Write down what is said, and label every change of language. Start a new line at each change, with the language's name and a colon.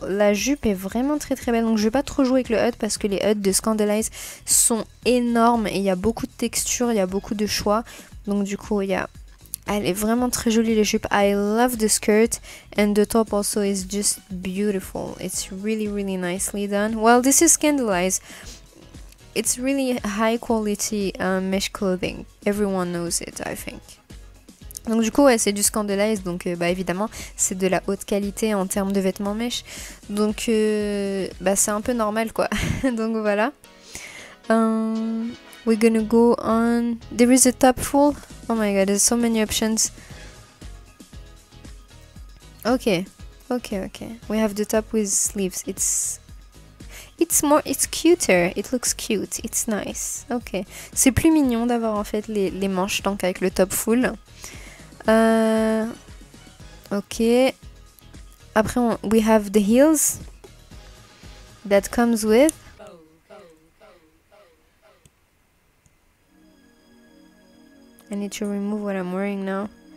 French: La jupe est vraiment très très belle. Donc je vais pas trop jouer avec le HUD parce que les HUD de Scandalize sont énormes et il y a beaucoup de textures, il y a beaucoup de choix. Donc du coup, elle est vraiment très jolie la jupe.
English: I love the skirt and the top also is just beautiful. It's really really nicely done. Well, this is Scandalize. It's really high quality mesh clothing. Everyone knows it, I think.
French: Donc du coup ouais, c'est du Scandalize, donc bah évidemment c'est de la haute qualité en termes de vêtements mèches, donc bah c'est un peu normal quoi. Donc voilà,
English: we're gonna go on. There is a top full. Oh my god, there's so many options. Okay, we have the top with sleeves. It's cuter, it looks cute, it's nice.
French: Okay, c'est plus mignon d'avoir en fait les manches tant qu'avec le top full. Ok.
English: Après, we have the heels that comes with. I need to remove what I'm wearing now.